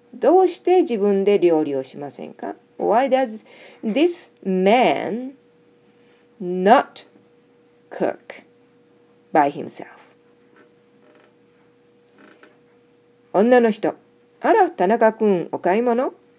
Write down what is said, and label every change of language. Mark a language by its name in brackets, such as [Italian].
[Japanese] どうして自分で料理をしませんか? [English] Why does this man not cook by himself? [Japanese] 女の人、あら、田中君、お買い物?